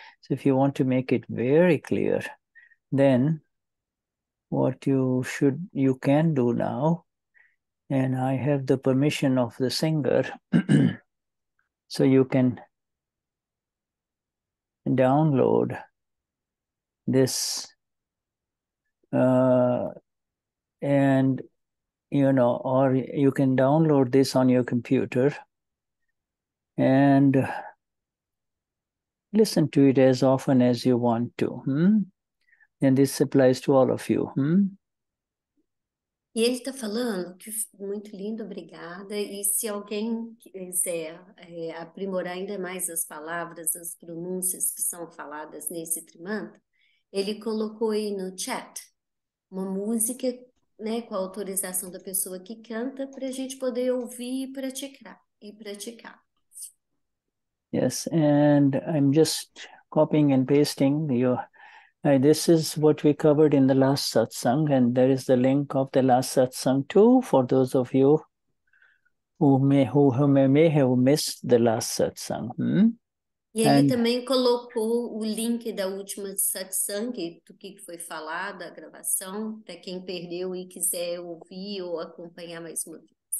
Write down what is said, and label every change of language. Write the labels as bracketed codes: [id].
[en] So if you want to make it very clear, then what you should, you can do now, and I have the permission of the singer, so you can download this and, you know, or you can download this on your computer and Listen to it as often as you want to. And this applies to all of you. [pt] E ele está falando que muito lindo, obrigada. E se alguém quiser aprimorar ainda mais as palavras, as pronúncias que são faladas nesse trimantra, ele colocou aí no chat uma música, né, com a autorização da pessoa que canta para a gente poder ouvir e praticar. [en] Yes, and I'm just copying and pasting your. This is what we covered in the last satsang, and there is the link of the last satsang too for those of you who may have missed the last satsang. [pt] E ele também colocou o link da última satsang, do que foi falado, a gravação, para quem perdeu e quiser ouvir ou acompanhar mais uma vez.